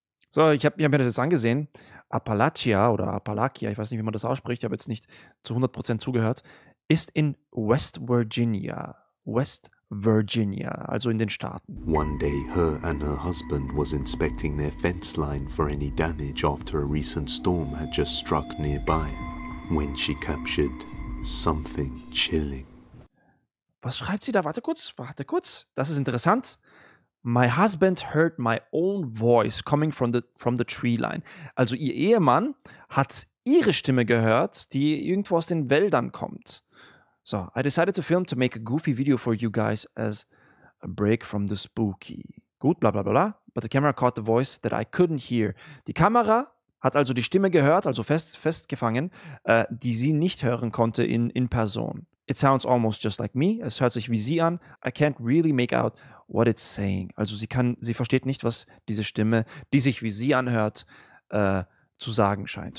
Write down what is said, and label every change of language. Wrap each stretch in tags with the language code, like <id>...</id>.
<de>So, ich hab mir das jetzt angesehen. Appalachia oder Appalachia, ich weiß nicht, wie man das ausspricht, ich habe jetzt nicht zu 100% zugehört, ist in West Virginia, also in den Staaten.</de> <en>One day her and her husband was inspecting their fence line for any damage after a recent storm had just struck nearby, when she captured something chilling.</en> <de>Was schreibt sie da? Warte kurz. Das ist interessant.</de> <en>My husband heard my own voice coming from the tree line.</en> <de>Also ihr Ehemann hat ihre Stimme gehört, die irgendwo aus den Wäldern kommt.</de> <en>So, I decided to film to make a goofy video for you guys as a break from the spooky.</en> <de>Gut, bla bla bla.</de> <en>But the camera caught the voice that I couldn't hear.</en> <de>Die Kamera hat also die Stimme gehört, also festgefangen, die sie nicht hören konnte in Person.</de> <en>It sounds almost just like me.</en> <de>Es hört sich wie sie an.</de> <en>I can't really make out what it's saying.</en> <de>Also sie versteht nicht, was diese Stimme, die sich wie sie anhört, zu sagen scheint.</de>